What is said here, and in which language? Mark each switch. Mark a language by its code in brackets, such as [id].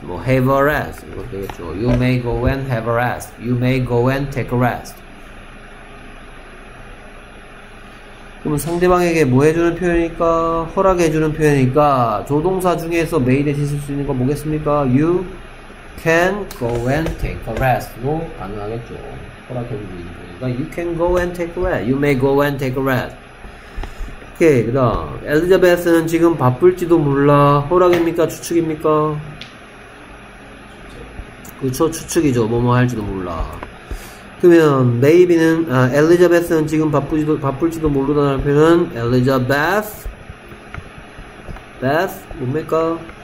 [en] 뭐 have a rest 이거 되겠죠. You may go and have a rest. You may go and take a rest. [ko] 그러면 상대방에게 뭐 해주는 표현일까? 허락해주는 표현일까? 조동사 중에서 may 대신 쓸 수 있는 건 뭐겠습니까? [en] You can go and take a rest도 [ko] 가능하겠죠. 허락해주는 표현이니까 [en] You can go and take a rest. You may go and take a rest. [ko] 오케이. 그 다음 엘리자베스는 지금 바쁠지도 몰라. 허락입니까? 추측입니까? 그렇죠. 추측이죠. 뭐뭐 할지도 몰라. 그러면 maybe는 엘리자베스는 지금 바쁠지도 모르다는 표현은 엘리자베스 Beth 뭡니까?